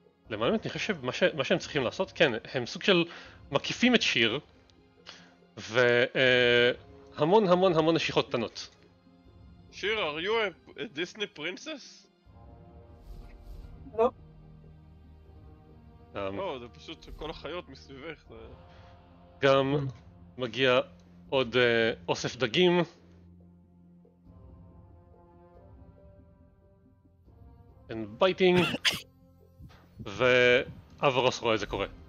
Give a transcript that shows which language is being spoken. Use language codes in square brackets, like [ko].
[he] למען האמת, אני חושב מה שהם צריכים לעשות, כן, הם סוג של מקיפים את שיר, והמון המון המון נשיכות קטנות. [en] שיר, are you a Disney princess? [he] לא. לא, זה פשוט כל החיות מסביבך. גם מגיע עוד אוסף דגים. [en] And biting. [he] ואברוס רואה זה קורה.